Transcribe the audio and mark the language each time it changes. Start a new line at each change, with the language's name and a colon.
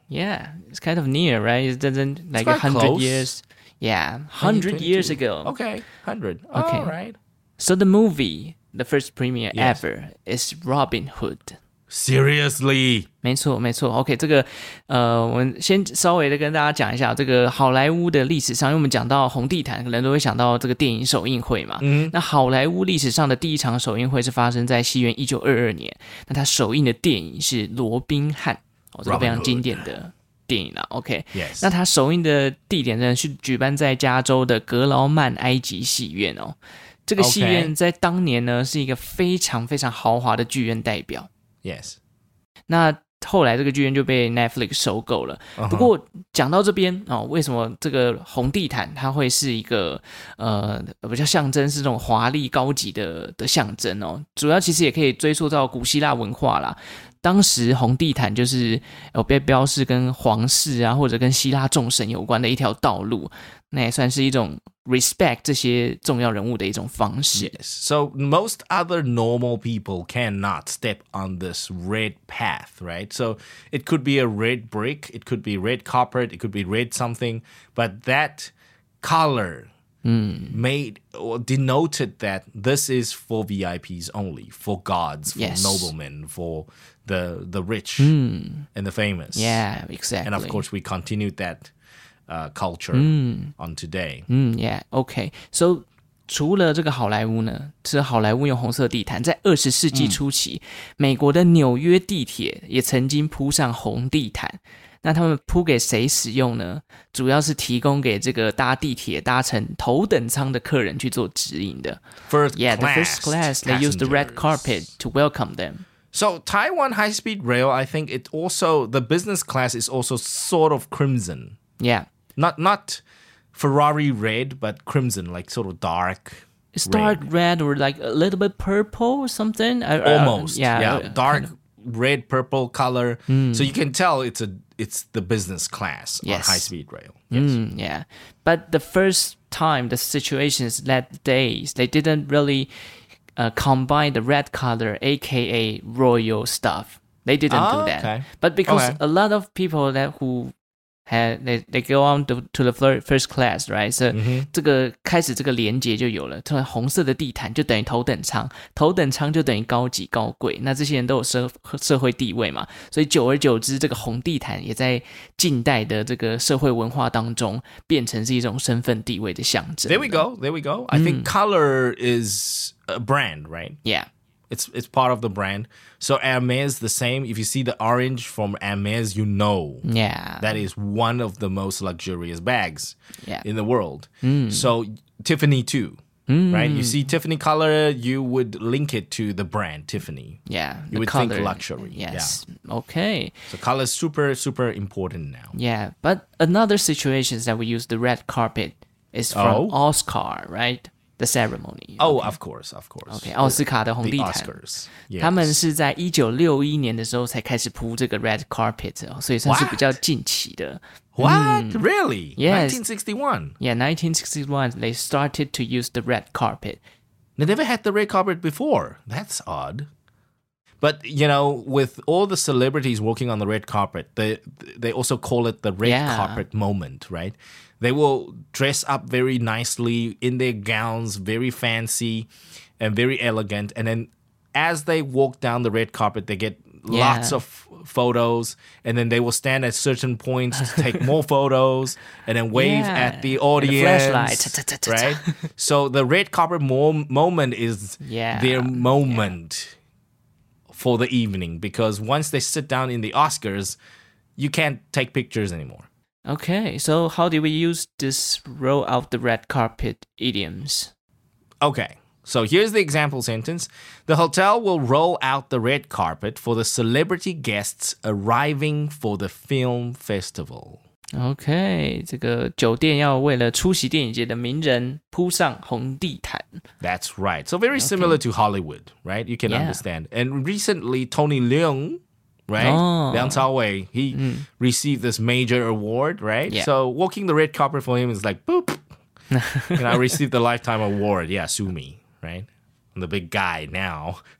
English: Yeah, it's kind of near, right? It doesn't, like, 100 close. Years. Yeah, 100 years ago. Okay, 100. Okay. All right. So the movie... The first premiere ever is Robin Hood. Seriously?
Chinese: 没错没错 OK, 这个我们先稍微的跟大家讲一下这个好莱坞的历史上因为我们讲到红地毯可能都会想到这个电影首映会嘛。那好莱坞历史上的第一场首映会是发生在西元1922年。那他首映的电影是罗宾汉、这个非常经典的电影啦 OK。那他首映的地点呢是举办在加州的格劳曼埃及戏院哦。这个戏院在当年呢、是一个非常非常豪华的剧院代表。
English: Yes.
Chinese: 那后来这个剧院就被 Netflix 收购了。
English: Uh-huh.
Chinese: 不过讲到这边、为什么这个红地毯它会是一个、比较象征是这种华丽高级 的象征、主要其实也可以追溯到古希腊文化啦。当时红地毯就是被标示跟皇室啊或者跟希腊众神有关的一条道路。那也算是一种 respect 这些重要人物的一种方式。
English: Yes. So most other normal people cannot step on this red path, right? So it could be a red brick, it could be red carpet, it could be red something, but that color made or denoted that this is for VIPs only, for gods, for noblemen, for the rich and the famous. Yeah, exactly. And of course, we continued that. Culture on today. Okay.
Chinese: So, 除了这个好莱坞呢，是好莱坞用红色地毯。在二十世纪初期，美国的纽约地铁也曾经铺上红地毯。那他们铺给谁使用呢？主要是提供给这个搭地铁搭乘头等舱的客人去做指引的。
English: First Yeah, the first class, they use the red carpet to welcome them. So Taiwan high-speed rail, I think it also, the business class is also sort of crimson. Yeah. Not Ferrari red, but crimson, like sort of dark. It's dark red or like a little bit purple or something. Almost. Yeah. Dark red, purple color. Mm. So you can tell it's the business class on high-speed rail. Yes. Mm, yeah. But the first time the situation is that days, they didn't really combine the red color, aka royal stuff. They didn't do that. Okay. But because a lot of people that who... They go on to the first class, right?
Chinese: So, 这个开始这个连结就有了。突然红色的地毯就等于头等舱，头等舱就等于高级高贵。那这些人都有社会地位嘛？所以久而久之，这个红地毯也在近代的这个社会文化当中变成是一种身份地位的象征。
English: There we go. I think color is a brand, right? Yeah. It's part of the brand. So Hermes, the same. If you see the orange from Hermes, you know that is one of the most luxurious bags in the world. Mm. So Tiffany too, right? You see Tiffany color, you would link it to the brand Tiffany. Yeah, you would color, think luxury. Yes, yeah. Okay. So color is super, super important now. Yeah, but another situation is that we use the red carpet is from Oscar, right? The ceremony. Oh, of course.
Chinese: Okay, 奥斯卡的红地毯。
English: The Oscars. Yes.
Chinese: 他们是在1961年的时候才开始铺这个
English: red carpet,
Chinese: 所以算是比较近期的。
English: What? Really? Yes. 1961. Yeah, 1961, they started to use the red carpet. They never had the red carpet before. That's odd. But, you know, with all the celebrities walking on the red carpet, they also call it the red carpet moment, right? They will dress up very nicely in their gowns, very fancy and very elegant. And then as they walk down the red carpet, they get lots of photos. And then they will stand at certain points to take more photos and then wave at the audience. And the flashlight. Right? So the red carpet moment is their moment for the evening. Because once they sit down in the Oscars, you can't take pictures anymore. Okay, so how do we use this roll out the red carpet idioms? Okay, so here's the example sentence. The hotel will roll out the red carpet for the celebrity guests arriving for the film festival.
Chinese: Okay, 这个酒店要为了出席电影节的名人铺上红地毯。
English: That's right. So very similar to Hollywood, right? You can understand. And recently, Tony Leung... Right? Liang Caowei, he received this major award, right? Yeah. So walking the red carpet for him is like, boop! And I received the lifetime award. Yeah, sue me, right? I'm the big guy now.